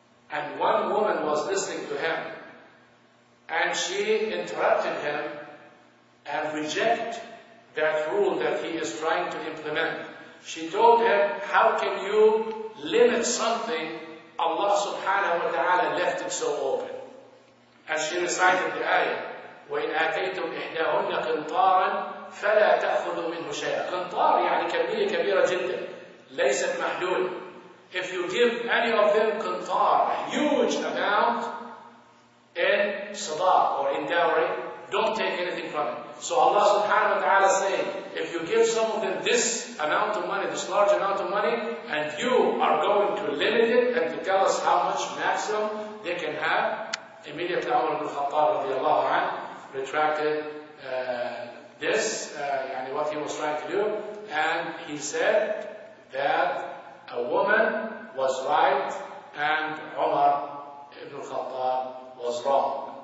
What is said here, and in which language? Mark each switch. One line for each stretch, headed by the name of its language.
English: And one woman was listening to him, and she interrupted him, and reject that rule that he is trying to implement. She told him, how can you limit something Allah subhanahu wa ta'ala left it so open? And she recited the ayah,
Arabic: وَإِنْ آتَيْتُمْ إِحْدَاهُنَّ قِنْطَارًا فَلَا تَأْخُذُوا مِنْهُ شَيْئًا. قِنْطَار يعني كمية كبيرة جدا, ليست محدود.
English: If you give any of them قِنْطَار, a huge amount in صداق or in dowry, don't take anything from it. So Allah subhanahu wa ta'ala is saying, if you give some of them this amount of money, this large amount of money, and you are going to limit it and to tell us how much maximum they can have, immediately Umar ibn Khattab radiallahu anh retracted this, yani what he was trying to do, and he said that a woman was right and Umar ibn Khattab was wrong.